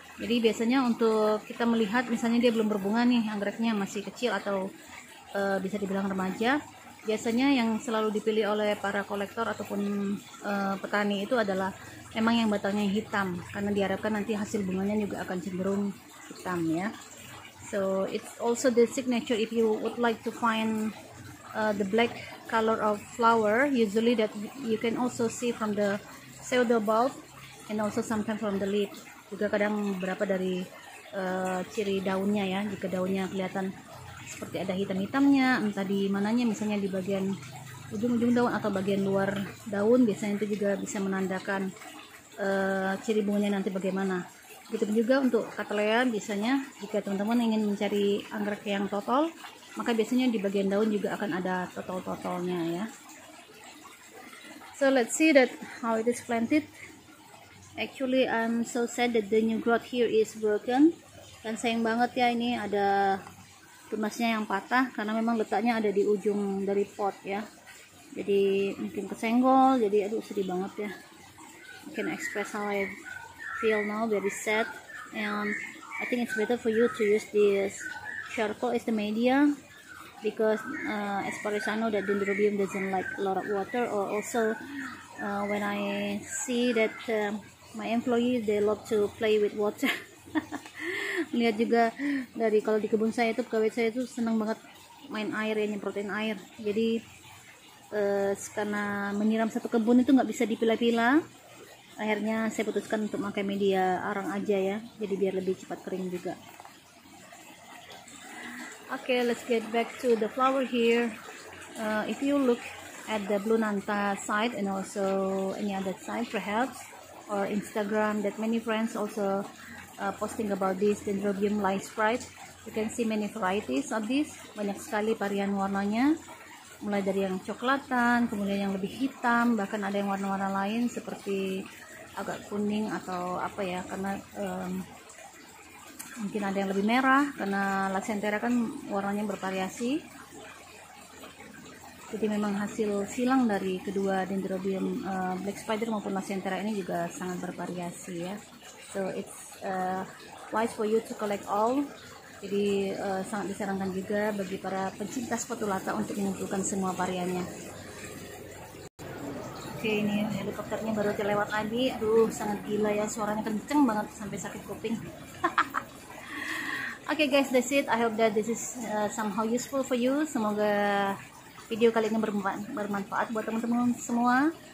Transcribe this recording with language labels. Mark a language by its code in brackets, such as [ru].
[id] Jadi biasanya untuk kita melihat misalnya dia belum berbunga nih, anggreknya masih kecil atau bisa dibilang remaja, biasanya yang selalu dipilih oleh para kolektor ataupun petani itu adalah memang yang batangnya hitam, karena diharapkan nanti hasil bunganya juga akan cenderung hitam ya. [en] So it's also the signature. If you would like to find the black color of flower, usually that you can also see from the pseudo bulb and also sometimes from the leaf. [id] Juga kadang beberapa dari ciri daunnya ya, jika daunnya kelihatan seperti ada hitam-hitamnya, entah di mananya, misalnya di bagian ujung-ujung daun atau bagian luar daun, biasanya itu juga bisa menandakan ciri bunganya nanti bagaimana. Gitu juga untuk katalea, biasanya jika teman-teman ingin mencari anggrek yang totol, maka biasanya di bagian daun juga akan ada totol-totolnya ya. [en] So let's see that how it is planted. Actually I'm so sad that the new growth here is broken. [id] Dan sayang banget ya, ini ada tunasnya yang patah karena memang letaknya ada di ujung dari pot ya. Jadi mungkin kesenggol, jadi aduh sedih banget ya. [en] I can express how I feel now, very sad. And I think it's better for you to use this charcoal as the media, because as far as I know that dendrobium doesn't like a lot of water. Or also when I see that my employees, they love to play with water. [id] Lihat juga dari kalau di kebun saya itu, pegawai saya itu senang banget main air ya, nyemprotin air. Jadi karena menyiram satu kebun itu nggak bisa dipilah-pilah, akhirnya saya putuskan untuk pakai media arang aja ya, jadi biar lebih cepat kering juga. [en] Okay, let's get back to the flower here. If you look at the Blue Nanta side and also any other side perhaps, or Instagram, that many friends also posting about this dendrobium light sprite, you can see many varieties of this. [id] Banyak sekali varian warnanya, mulai dari yang coklatan, kemudian yang lebih hitam, bahkan ada yang warna-warna lain seperti agak kuning atau apa ya, karena mungkin ada yang lebih merah karena Lacentera kan warnanya bervariasi. Jadi memang hasil silang dari kedua dendrobium black spider maupun Lacentera ini juga sangat bervariasi ya. [en] So it's wise for you to collect all. [id] Jadi sangat disarankan juga bagi para pencinta spatulata untuk mengumpulkan semua variannya. Oke, ini helikopternya baru aja lewat lagi. Aduh, sangat gila ya, suaranya kenceng banget sampai sakit kuping. [en] Oke, guys, that's it. I hope that this is somehow useful for you. [id] Semoga video kali ini bermanfaat buat teman-teman semua.